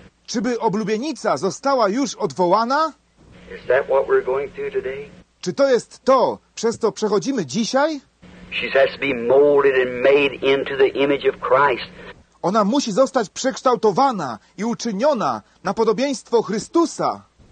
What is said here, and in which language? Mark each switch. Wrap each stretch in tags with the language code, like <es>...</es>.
<pl>Czy by oblubienica została już odwołana?</pl> <en>Is that what we're going through today?</en> <pl>Czy to jest to, przez co przechodzimy dzisiaj?</pl> <en>She has to be molded and made into the image of Christ.</en> <pl>Ona musi zostać przekształtowana i uczyniona na podobieństwo Chrystusa.</pl>